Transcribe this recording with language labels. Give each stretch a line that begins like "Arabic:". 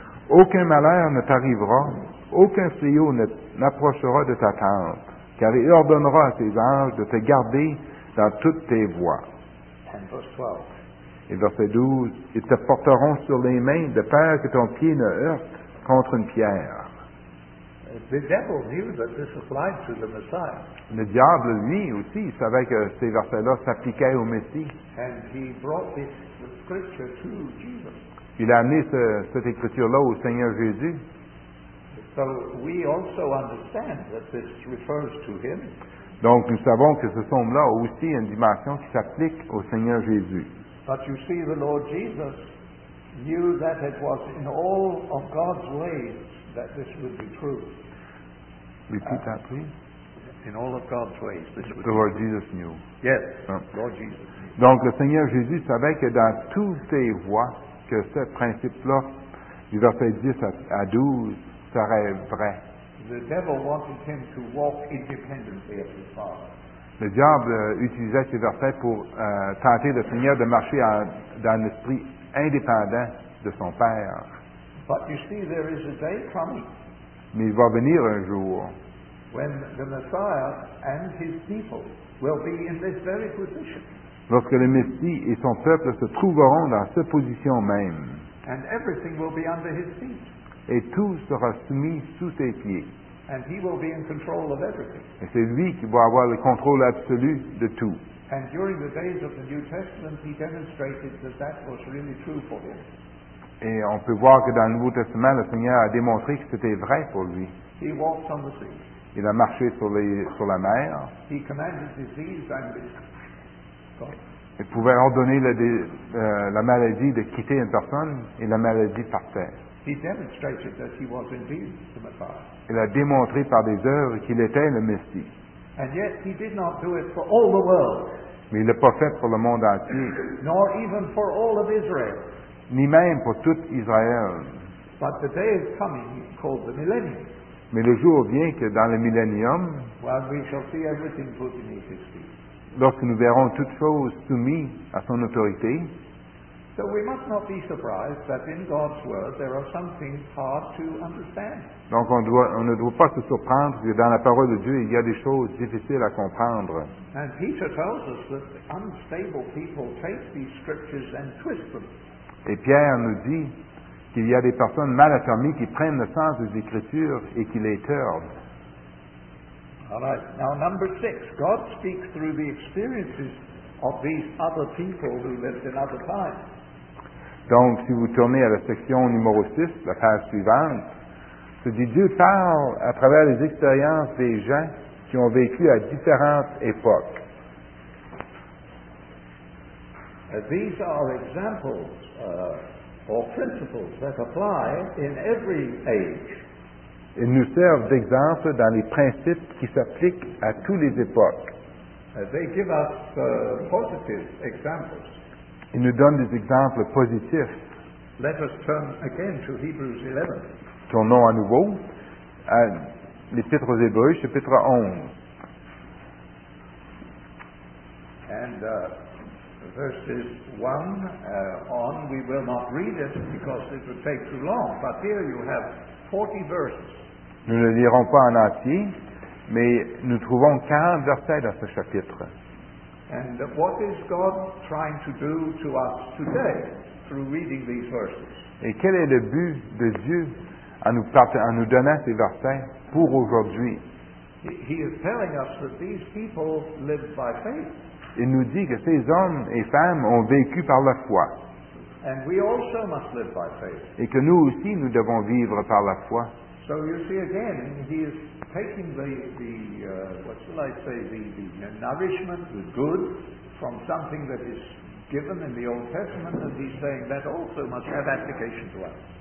French: Aucun malheur ne t'arrivera, aucun fléau n'approchera de ta tente, car il ordonnera à ses anges de te garder dans toutes tes voies.
English: And verse 12.
French: Et verset 12, ils te porteront sur les mains de peur que ton pied ne heurte contre une pierre.
English: The devil knew that this applied to the Messiah.
French: Le diable, lui aussi, il savait que ces versets-là s'appliquaient au Messie.
English: And he brought this scripture to Jesus.
French: Il a amené cette écriture-là au Seigneur Jésus.
English: So we also understand that this refers to him.
French: Donc nous savons que ce psaume-là a aussi une dimension qui s'applique au Seigneur Jésus.
English: But you see, the Lord Jesus knew that it was in all of God's ways that this would be true. Repeat that, please. In all of God's ways, this would the Lord true. Jesus knew. Yes, Lord Jesus.
French: Donc le Seigneur Jésus savait que dans toutes ses voies, que ce principe-là, du verset 10 à 12, serait vrai.
English: The devil wanted him to walk independently of his Father.
French: Le diable utilisait ces versets pour tenter le Seigneur de marcher dans l'esprit indépendant de son Père.
English: But you see, there is a day coming.
French: Mais il va venir un jour.
English: When the Messiah and his people will be in this very position.
French: Lorsque le Messie et son peuple se trouveront dans cette position même.
English: And everything will be under his feet.
French: Et tout sera soumis sous ses pieds.
English: And he will be in control of everything.
French: Et c'est lui qui va avoir le contrôle absolu de tout.
English: And during the days of the New Testament, he demonstrated that that was really true for him.
French: Et on peut voir que dans le Nouveau Testament, le Seigneur a démontré que c'était vrai pour lui.
English: He walked on the sea.
French: Il a marché sur la mer.
English: He commanded disease and
French: il pouvait ordonner la maladie de quitter une personne et la maladie partait.
English: He demonstrated that he was indeed the Messiah.
French: Il a démontré par des œuvres qu'il était le Messie.
English: And yet he did not do it for all the world.
French: Mais il n'est pas fait pour le monde entier.
English: Nor even for all of Israel.
French: Ni même pour tout Israël.
English: But the day is coming, called the millennium.
French: Mais le jour vient que dans le millénium,
English: well, we shall see everything put in his history.
French: Lorsque nous verrons toutes choses soumises à son autorité.
English: So we must not be surprised that in God's word there are some things hard to understand.
French: Donc on ne doit pas se surprendre que dans la parole de Dieu il y a des choses difficiles à comprendre.
English: And Peter tells us that unstable people take these scriptures and twist them.
French: Et Pierre nous dit qu'il y a des personnes mal affirmées qui prennent le sens des Écritures et qui les tordent.
English: All right. Now number six, God speaks through the experiences of these other people who lived in other times.
French: Donc, si vous tournez à la section numéro 6, la page suivante, c'est dit, Dieu parle à travers les expériences des gens qui ont vécu à différentes époques.
English: These are examples or principles that apply in every age.
French: Ils nous servent d'exemple dans les principes qui s'appliquent à toutes les époques.
English: They give us positive examples.
French: Il nous donne des exemples positifs.
English: Let us turn again to Hebrews 11.
French: Tournons à nouveau à l'Épître aux Hébreux, chapitre 11.
English: And verses 1 on, we will not read it because it would take too long, but here you have 40 verses.
French: Nous ne lirons pas en entier, mais nous trouvons 40 versets dans ce chapitre.
English: And what is God trying to do to us today through reading these verses?
French: Et quel est le but de Dieu en nous donnant ces versets pour aujourd'hui?
English: He is telling us that these people lived by faith.
French: Il nous dit que ces hommes et femmes ont vécu par la foi.
English: And we also must live by faith.
French: Et que nous aussi nous devons vivre par la foi.
English: So you see again, he is taking the nourishment, the good, from something that is given in the Old Testament, and he's saying that also must have application to us.